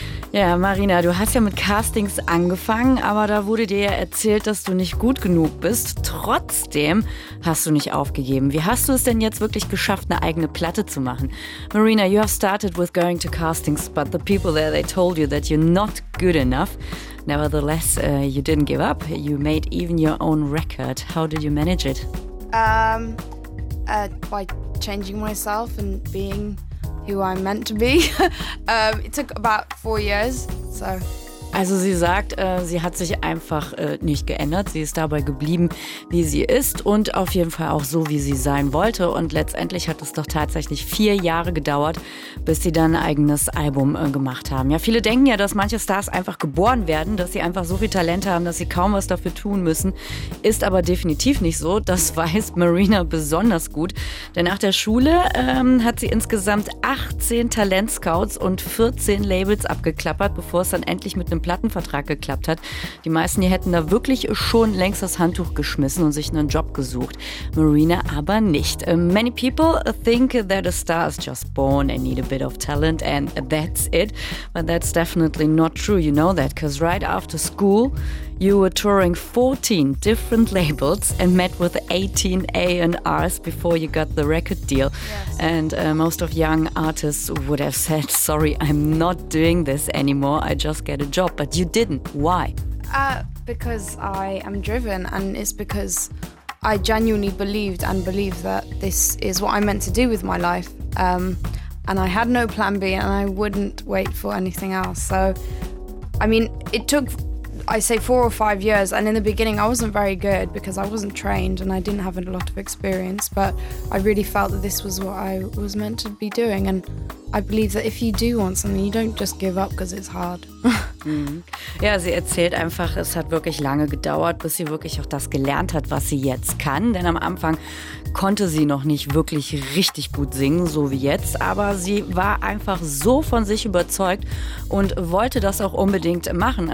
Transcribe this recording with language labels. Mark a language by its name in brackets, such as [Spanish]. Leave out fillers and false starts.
[German] Ja, Marina, du hast ja mit Castings angefangen, aber da wurde dir ja erzählt, dass du nicht gut genug bist. Trotzdem hast du nicht aufgegeben. Wie hast du es denn jetzt wirklich geschafft, eine eigene Platte zu machen? [English] Marina, you have started with going to castings, but the people there, they told you that you're not good enough. Nevertheless, you didn't give up. You made even your own record. How did you manage it? By changing myself and being who I'm meant to be. it took about 4 years, so. [German] Also sie sagt, sie hat sich einfach nicht geändert. Sie ist dabei geblieben, wie sie ist und auf jeden Fall auch so, wie sie sein wollte. Und letztendlich hat es doch tatsächlich 4 Jahre gedauert, bis sie dann ein eigenes Album gemacht haben. Ja, viele denken ja, dass manche Stars einfach geboren werden, dass sie einfach so viel Talent haben, dass sie kaum was dafür tun müssen. Ist aber definitiv nicht so. Das weiß Marina besonders gut. Denn nach der Schule hat sie insgesamt 18 Talentscouts und 14 Labels abgeklappert, bevor es dann endlich mit einem Plattenvertrag geklappt hat. Die meisten, die hätten da wirklich schon längst das Handtuch geschmissen und sich einen Job gesucht. Marina aber nicht. [English] Many people think that a star is just born and need a bit of talent and that's it. But that's definitely not true. You know that, because right after school, you were touring 14 different labels and met with 18 A&Rs before you got the record deal. Yes. And most of young artists would have said, sorry, I'm not doing this anymore, I just get a job. But you didn't. Why? Because I am driven, and it's because I genuinely believed and believe that this is what I'm meant to do with my life. And I had no plan B and I wouldn't wait for anything else. So, I mean, it took, I say, 4 or 5 years, and in the beginning I wasn't very good because I wasn't trained and I didn't have a lot of experience, but I really felt that this was what I was meant to be doing, and I believe that if you do want something, you don't just give up because it's hard. [German] Ja, sie erzählt einfach, es hat wirklich lange gedauert, bis sie wirklich auch das gelernt hat, was sie jetzt kann. Denn am Anfang konnte sie noch nicht wirklich richtig gut singen, so wie jetzt. Aber sie war einfach so von sich überzeugt und wollte das auch unbedingt machen.